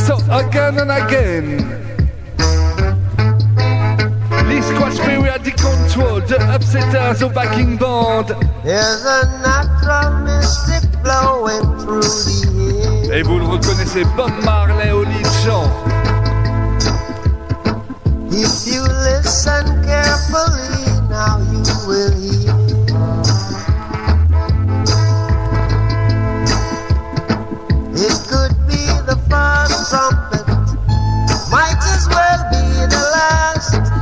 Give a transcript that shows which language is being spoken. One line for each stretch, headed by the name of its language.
English: Again and again, Lee Scratch Perry at the control, the Upsetters of backing band. There's a natural mystic flowing through the air.
French: Et vous le reconnaissez, Bob Marley au lead chant.
English: If you listen carefully, now you will hear. It could be the first trumpet. Might as well be the last.